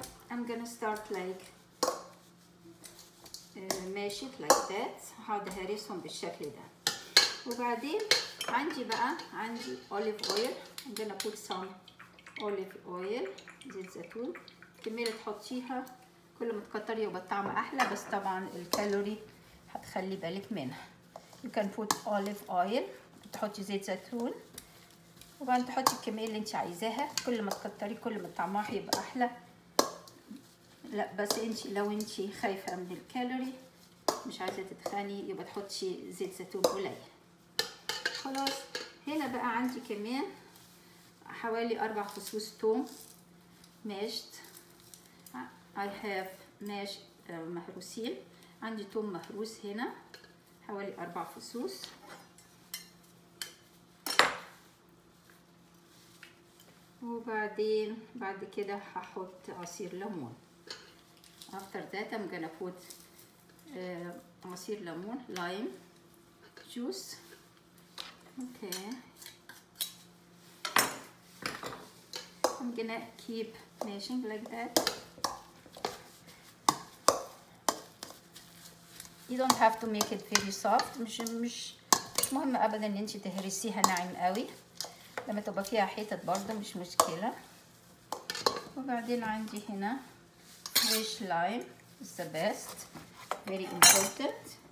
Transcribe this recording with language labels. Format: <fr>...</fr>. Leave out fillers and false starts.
<en>I'm gonna start mashing like that.</en> <ar>هقعد اهرسهم بالشكل ده. وبعدين عندي اوليف اويل.</ar> <en>I'm gonna put some olive oil,</en> <ar>زيت زيتون. كمية تحطيها كل ما تكتري يبقى الطعم احلى, بس طبعا الكالوري هتخلي بالك منها.</ar> <en>You can put</en> <ar>اوليف اويل, تحطي زيت زيتون, وبعدين تحطي الكمية اللي انت عايزاها. كل ما تكتري كل ما طعمها هيبقى احلى. لا بس انت لو انت خايفة من الكالوري مش عايزة تتخني يبقى تحطي زيت زيتون قليل. خلاص هنا بقى عندي كمان حوالي 4 فصوص توم ماشت.</ar> <en>I have</en> <ar>ماش مهروسين. عندي توم مهروس هنا حوالي 4 فصوص. وبعدين بعد كده هحط عصير ليمون.</ar> <en>After that I'm gonna put</en> <ar>عصير ليمون,</ar> <en>Lime juice. Okay, I'm gonna keep mashing like that. You don't have to make it very soft.</en> <ar>مش مهم ابدا ان انت تهرسيها ناعم قوي. لما تبقى فيها حتت برضه مش مشكلة. وبعدين عندي هنا</ar> <en>fresh lime, it's the best, very important.</en>